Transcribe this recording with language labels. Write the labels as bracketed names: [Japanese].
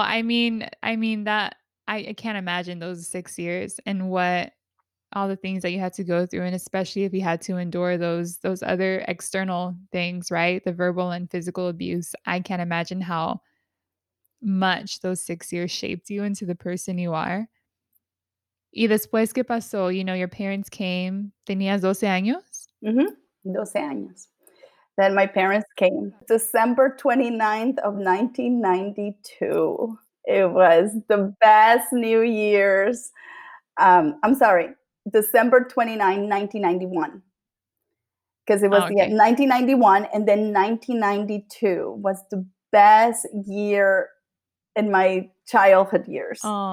[English] I mean that I can't imagine those 6 years and what all the things that you had to go through, and especially if you had to endure those other external things, right? The verbal and physical abuse. I can't imagine how much those 6 years shaped you into the person you are. [Spanish] Y después que pasó, [English] you know, your parents came, [Spanish] tenías 12 años? Mm-hmm. 12 años. [English] Then my parents came December 29th of 1992. It was the best New Year's. I'm sorry. December 29, 1991, because it was 1991, and then 1992 was the best year in my childhood years. Aww.